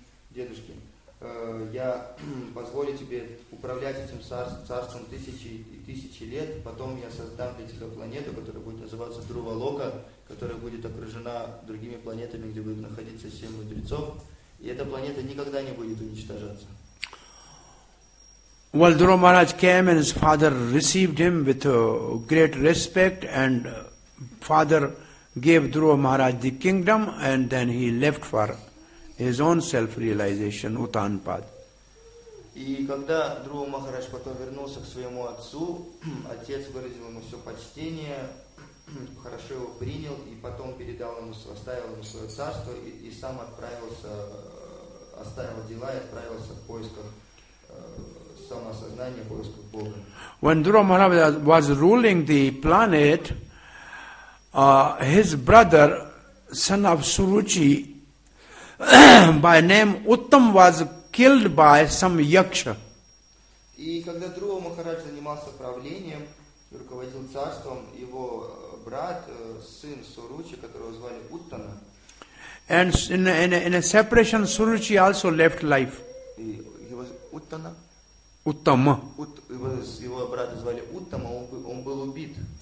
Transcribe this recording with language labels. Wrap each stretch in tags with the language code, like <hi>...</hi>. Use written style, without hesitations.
<ru>Дедушки, я позволю тебе управлять этим царством тысячи и тысячи лет, потом я создам для тебя планету, которая будет называться Dhruva Loka, которая будет окружена другими планетами, где будут находиться 7 мудрецов, и эта планета никогда не будет уничтожаться.</ru> <en>Well, Dhruva Maharaj came and his father received him with great respect, and father gave Dhruva Maharaj the kingdom, and then he left for his own self-realization, Utanpad.</en> <ru>И когда Dhruva Maharaj потом вернулся к своему отцу, отец выразил ему все почтение, хорошо его принял, и потом передал ему, оставил ему свое царство, и сам отправился, оставил дела и отправился в поисках самосознания, поисках Бога.</ru> <en>When Dhruva Maharaj was ruling the planet, his brother, son of Suruchi, by name Uttam, was killed by some yaksha.</en> <ru>И когда Dhruva Maharaj занимался правлением, руководил царством его брат, сын Суручи, которого звали Уттана.</ru> <en>And in a separation, Suruchi also left life. He was Uttana. Uttama.</en> <ru>Его брата звали Уттама, он был убит.</ru>